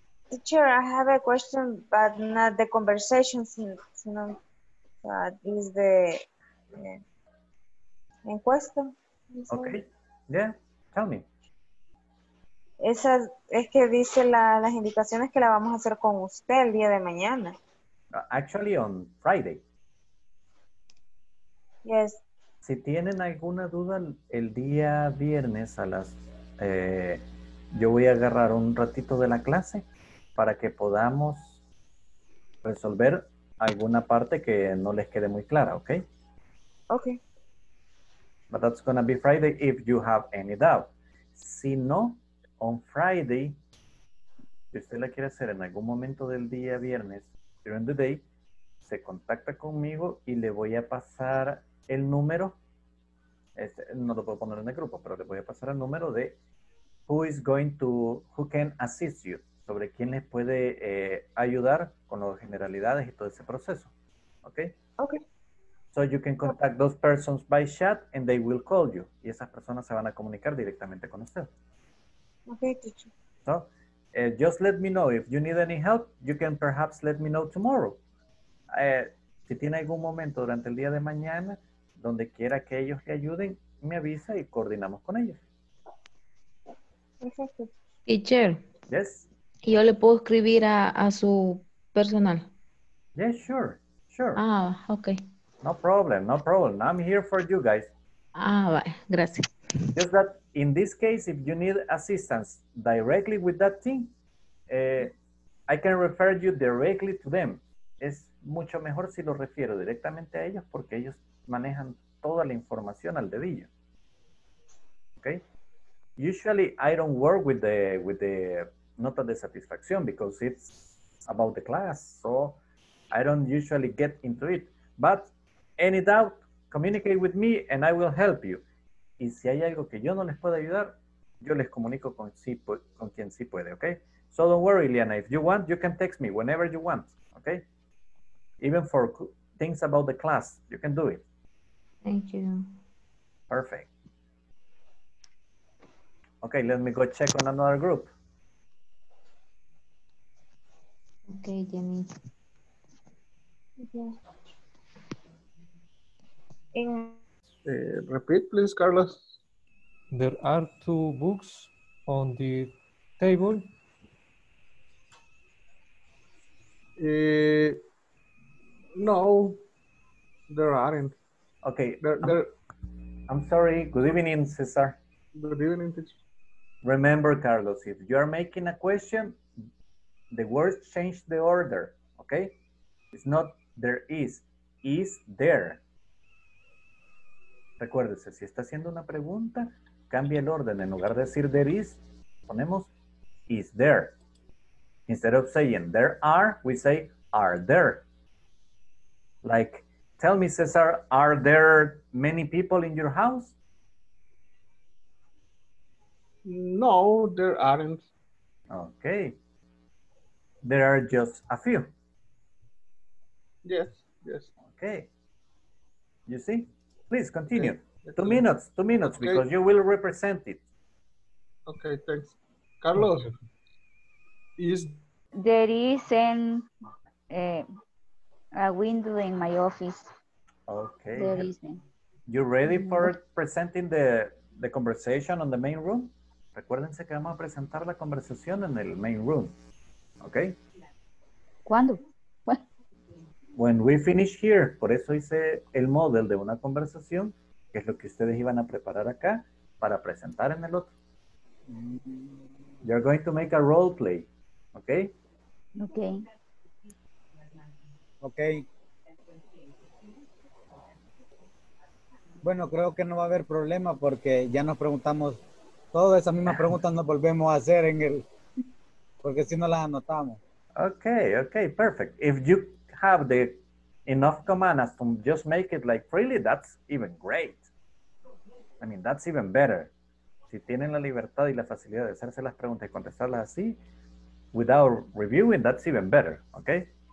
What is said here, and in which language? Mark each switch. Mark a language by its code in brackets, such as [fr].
[en] Teacher, I have a question, but not the conversation, you know, but is the encuesta. Okay. Yeah, tell me. [es] Esa es que dice las indicaciones que la vamos a hacer con usted el día de mañana. [en] Actually, on Friday. Yes, [es] Si tienen alguna duda, el día viernes a las... yo voy a agarrar un ratito de la clase para que podamos resolver alguna parte que no les quede muy clara, ¿ok? [en] Ok. But that's going to be Friday if you have any doubt. [es] Si no, [en] on Friday, [es] si usted la quiere hacer en algún momento del día viernes, [en] during the day, [es] se contacta conmigo y le voy a pasar el número. No lo puedo poner en el grupo, pero le voy a pasar el número de [en] who is going to, who can assist you, [es] sobre quién les puede ayudar con las generalidades y todo ese proceso. ¿Ok? [en] Ok. So you can contact those persons by chat and they will call you. [es] Y esas personas se van a comunicar directamente con usted. [en] Ok, teacher. So, just let me know. If you need any help, you can perhaps let me know tomorrow. [es] Si tiene algún momento durante el día de mañana, donde quiera que ellos le ayuden, me avisa y coordinamos con ellos. Perfecto. [en] Teacher. Yes. [es] ¿Y yo le puedo escribir a su personal? [en] Yes, yeah, sure, sure. Ah, okay. No problem, no problem. I'm here for you guys. Ah, bye. [es] Gracias. [en] Just that in this case, if you need assistance directly with that team, I can refer you directly to them. [es] Es mucho mejor si lo refiero directamente a ellos porque ellos manejan toda la información al dedillo. [en] Okay? Usually I don't work with the [es] nota de satisfacción [en] because it's about the class, so I don't usually get into it. But any doubt, communicate with me and I will help you. [es] Y si hay algo que yo no les pueda ayudar, yo les comunico con quien sí puede, okay? [en] So don't worry, Liana. If you want, you can text me whenever you want, okay? Even for things about the class, you can do it. Thank you. Perfect. Okay, let me go check on another group. Okay, Jenny. Yeah. Repeat, please, Carlos. There are two books on the table. No, there aren't. Okay. I'm sorry. Good evening, Cesar. Good evening, teacher. Remember, Carlos, if you are making a question, the words change the order, okay? It's not there is there. [es] Recuérdese, si está haciendo una pregunta, cambia el orden. En lugar de decir [en] there is, [es] ponemos [en] is there. Instead of saying there are, we say are there. Like, tell me, Cesar, are there many people in your house? No, there aren't. Okay. There are just a few. Yes, yes. Okay. You see? Please continue. Okay. Two minutes, okay. Because you will represent it. Okay, thanks. Carlos, is... There is a window in my office. Okay. There is a... You ready for presenting the conversation on the main room? [es] Recuérdense que vamos a presentar la conversación en el [en] main room. Okay? [es] ¿Cuándo? [en] When we finish here, [es] por eso hice el model de una conversación, que es lo que ustedes iban a preparar acá para presentar en el otro. [en] You're going to make a role play, okay? Okay. Okay. [es] Bueno, creo que no va a haber problema porque ya nos preguntamos, todas esas mismas preguntas nos volvemos a hacer en el, porque si no las anotamos. [en] Okay, perfect. If you have the enough commands to just make it like freely, that's even great. I mean, that's even better. [es] Si tienen la libertad y la facilidad de hacerse las preguntas y contestarlas así, [en] without reviewing, that's even better, okay?